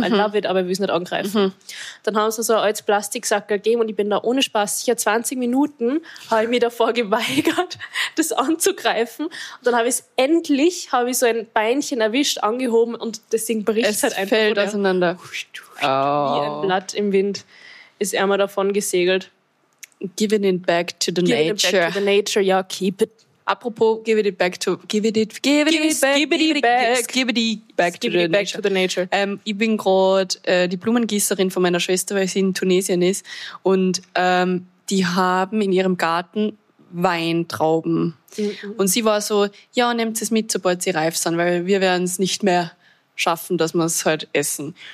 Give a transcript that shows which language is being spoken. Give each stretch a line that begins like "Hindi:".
German: Mhm.
English: I love it,
German: aber ich will's nicht angreifen. Mhm. Dann haben sie so ein altes Plastiksackerl gegeben und ich bin da ohne Spaß sicher 20 Minuten, habe ich mich davor geweigert, das anzugreifen. Und dann habe ich so ein Beinchen erwischt, angehoben und das Ding bricht es halt einfach. Es fällt auseinander. Wie ein Blatt im Wind ist er mal davon gesegelt.
English: Giving it back to the nature. Giving it back to the nature, ja, keep it. Apropos, give it back to the nature.
German: Ich bin gerade die Blumengießerin von meiner Schwester, weil sie in Tunesien ist. Und die haben in ihrem Garten Weintrauben. Mhm. Und sie war so, ja, nehmt es mit, sobald sie reif sind, weil wir werden es nicht mehr schaffen, dass wir es halt essen.